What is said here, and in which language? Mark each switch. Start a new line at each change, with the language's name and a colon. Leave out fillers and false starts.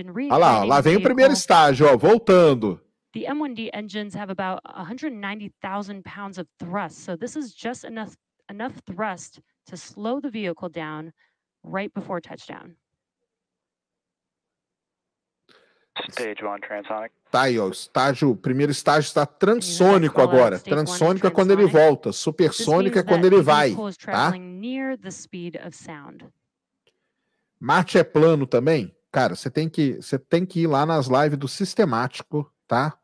Portuguese: Olha lá, ó, lá vem o primeiro estágio, ó, voltando.
English: The M1D engines have about 190,000 pounds of thrust, so this is just enough thrust to slow the vehicle down right before touchdown. Stage one transonic.
Portuguese: Tá aí, ó, o primeiro estágio está transônico agora. Transônico é quando ele volta, supersônico é quando ele vai, tá?
English: Near the speed of sound.
Portuguese: Marte é plano também? Cara, você tem que ir lá nas lives do sistemático, tá?